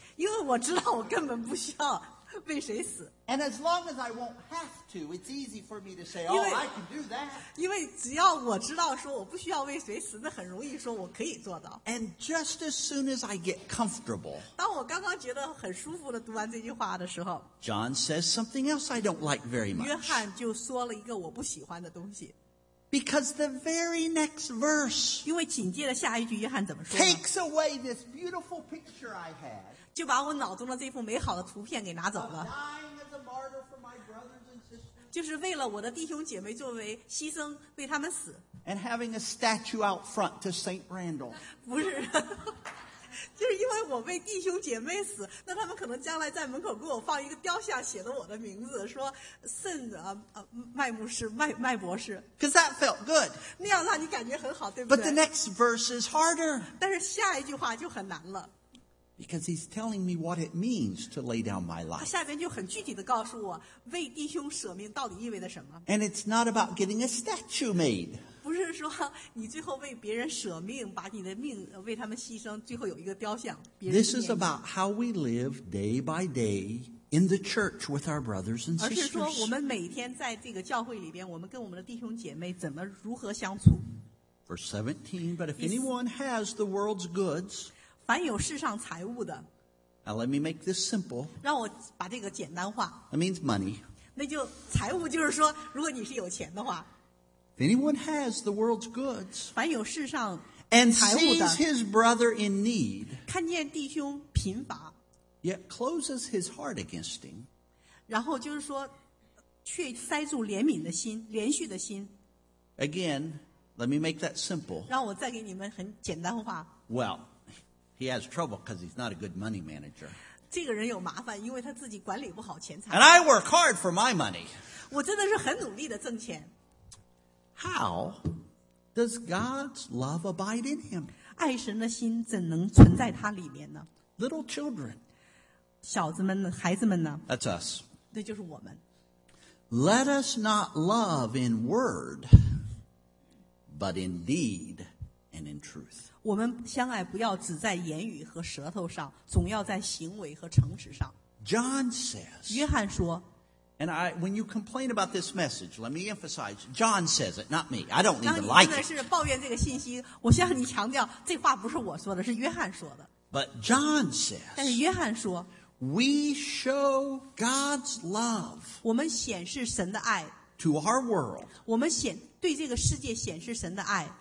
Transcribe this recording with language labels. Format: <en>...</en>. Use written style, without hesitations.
<zh>因为我知道我根本不需要为谁死。</zh> <en>And as long as I won't have to, it's easy for me to say, oh, I can do that.</en> <zh>因为只要我知道说我不需要为谁死，那很容易说我可以做到。</zh> <en>And just as soon as I get comfortable,</en> <zh>当我刚刚觉得很舒服的读完这句话的时候，</zh> <en>John says something else I don't like very much.</en> <zh>约翰就说了一个我不喜欢的东西。</zh> <en>Because the very next verse,</en> <zh>因为紧接着下一句约翰怎么说，</zh> <en>takes away this beautiful picture I had,</en> <zh>就把我脑中的这幅美好的图片给拿走了。</zh> <en>Dying as a martyr for my brothers and sisters,</en> <zh>就是为了我的弟兄姐妹作为牺牲为他们死。</zh> <en>And having a statue out front to Saint Randall.</en> <zh>不是，就是因为我为弟兄姐妹死，那他们可能将来在门口给我放一个雕像，写的我的名字，说圣啊麦牧师麦博士。</zh> <en>Because that felt good.</en> <zh>那样让你感觉很好，对不对</zh> <en>？But the next verse is harder.</en> <zh>但是下一句话就很难了。</zh> <en>Because he's telling me what it means to lay down my life.</en> <zh>他下边就很具体的告诉我为弟兄舍命到底意味着什么。</zh> <en>And it's not about getting a statue made.</en> <zh>不是说你最后为别人舍命，把你的命为他们牺牲，最后有一个雕像。</zh> <en>This is about how we live day by day in the church with our brothers and sisters.</en> <zh>而是说我们每天在这个教会里边，我们跟我们的弟兄姐妹怎么如何相处。</zh> <en>Verse 17, but if anyone has the world's goods,</en> <zh>凡有世上财物的。</zh> <en>Now let me make this simple.</en> <zh>让我把这个简单化。</zh> <en>That means money.</en> <zh>那就财物就是说，如果你是有钱的话。</zh> <en>If anyone has the world's goods,</en> <zh>凡有世上财物的,</zh> <en>and sees his brother in need,</en> <zh>看见弟兄贫乏,</zh> <en>yet closes his heart against him,</en> <zh>然后就是说, 却塞住怜悯的心, 连续的心。</zh> <en>Again, let me make that simple.</en> <zh>让我再给你们很简单化。</zh> <en>Well, he has trouble because he's not a good money manager.</en> <zh>这个人有麻烦，因为他自己管理不好钱财。</zh> <en>And I work hard for my money.</en> <zh>我真的是很努力的挣钱。</zh> <en>How does God's love abide in him?</en> <zh>爱神的心怎能存在他里面呢？</zh> <en>Little children,</en> <zh>小子们呢？孩子们呢？</zh> <en>That's us.</en> <zh>那就是我们。</zh> <en>Let us not love in word, but in deed and in truth.</en> <zh>我们相爱不要只在言语和舌头上，总要在行为和诚实上。</zh> <en>John says.</en> <zh>约翰说。</zh> <en>And I, when you complain about this message, let me emphasize, John says it, not me. I don't even like it.</en> <zh>当你现在是抱怨这个信息，我向你强调，这话不是我说的，是约翰说的。</zh> <en>But John says,</en> <zh>但是约翰说，</zh> <en>we show God's love,</en> <zh>我们显示神的爱，</zh> <en>to our world,</en> <zh>我们显对这个世界显示神的爱，</zh>